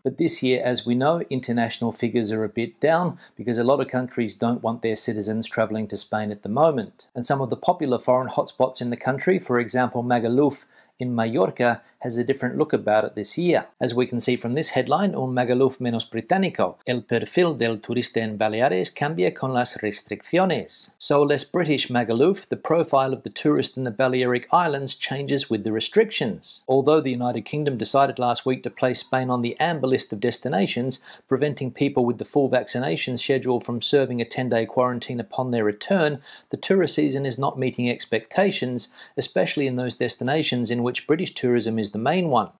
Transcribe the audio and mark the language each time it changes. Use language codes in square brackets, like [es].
[en] But this year, as we know, international figures are a bit down because a lot of countries don't want their citizens traveling to Spain at the moment. And some of the popular foreign hotspots in the country, for example, Magaluf in Mallorca, has a different look about it this year. As we can see from this headline, [es] un Magaluf menos británico. El perfil del turista en Baleares cambia con las restricciones. [en] So a less British Magaluf, the profile of the tourist in the Balearic Islands changes with the restrictions. Although the United Kingdom decided last week to place Spain on the amber list of destinations, preventing people with the full vaccination schedule from serving a 10-day quarantine upon their return, the tourist season is not meeting expectations, especially in those destinations in which British tourism is the main one.